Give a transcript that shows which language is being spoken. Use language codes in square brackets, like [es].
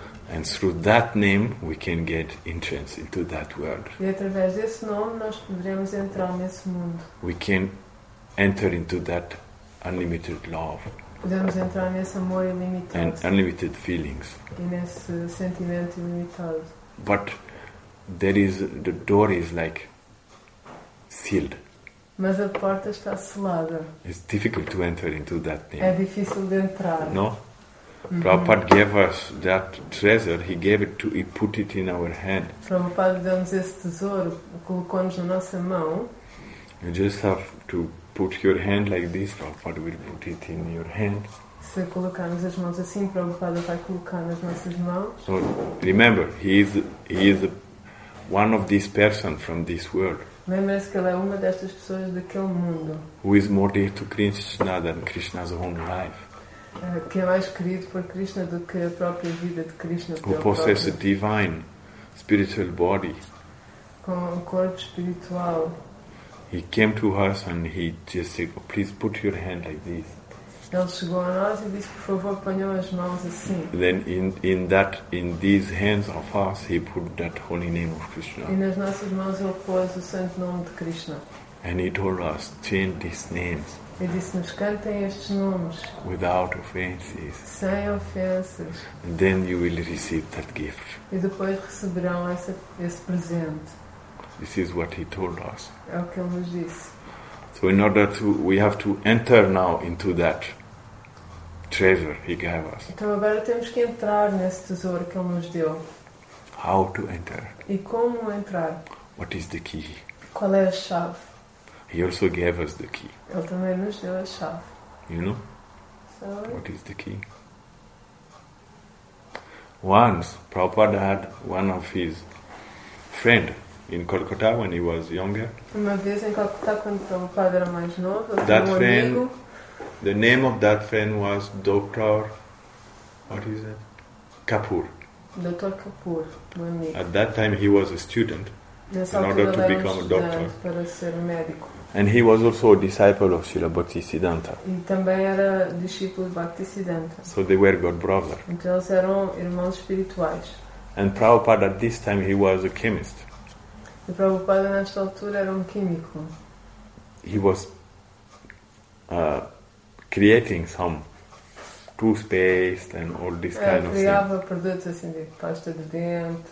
[en] And through that name we can get entrance into that world. [pt] E através desse nome nós poderemos entrar nesse mundo. [en] We can enter into that unlimited love. [pt] Podemos entrar nesse amor ilimitado. [en] And unlimited feelings. [pt] E nesse sentimento ilimitado. [en] But there is the door is like sealed. [pt] Mas a porta está selada. [en] It's difficult to enter into that name. [pt] É difícil de entrar. [en] No? Mm-hmm. Prabhupada gave us that treasure. He gave it to. He put it in our hand. [pt] Prabhupada deu-nos esse tesouro, colocou-nos na nossa mão. [en] You just have to put your hand like this. Prabhupada will put it in your hand. [pt] Se colocarmos as mãos assim, Prabhupada vai colocar nas nossas mãos. [en] So remember, he is one of these persons from this world. [pt] Lembre-se que ele é uma destas pessoas daquele mundo. [en] Who is more dear to Krishna than Krishna's own life? [pt] Que é mais querido por Krishna do que a própria vida de Krishna. [en] Who possesses a divine spiritual body. [pt] Com um corpo espiritual. [en] He came to us and he just said, oh, please put your hand like this. [pt] Ele chegou a nós e disse, por favor, ponham as mãos assim. [en] Then in these hands of us, he put that holy name of Krishna. [pt] E nas nossas mãos ele pôs o santo nome de Krishna. [en] And he told us, change these names. [pt] E disse-nos, cantem estes nomes. [en] Without offenses. [pt] Sem ofensas. [en] And then you will receive that gift. [pt] E depois receberão esse presente. [en] This is what he told us. [pt] É o que ele nos disse. [en] So in order to, we have to enter now into that treasure he gave us. [pt] Então agora temos que entrar nesse tesouro que ele nos deu. [en] How to enter? [pt] E como entrar? [en] What is the key? [pt] Qual é a chave? [en] He also gave us the key. [pt] Ele também nos deu a chave. [en] You know? So, what is the key? Once, Prabhupada had one of his friend in Calcutta when he was younger. [pt] Uma vez em Calcutta, quando Prabhupada era mais novo, [en] that [pt] um [en] friend, [pt] amigo. [en] The name of that friend was Dr. What is it? Kapoor. [pt] Dr. Kapoor, meu amigo. [en] At that time he was a student. In order to become a doctor. [pt] Para ser médico. [en] And he was also a disciple of Srila Bhaktisiddhanta. [pt] E também era discípulo de Bhaktisiddhanta. [en] So they were god brothers. [pt] Então eles eram irmãos espirituais. [en] And Prabhupada at this time he was a chemist. [pt] E Prabhupada nesta altura era químico. [en] He was creating some toothpaste and all this kind of stuff. [pt] Criava produtos assim de pasta de dentes.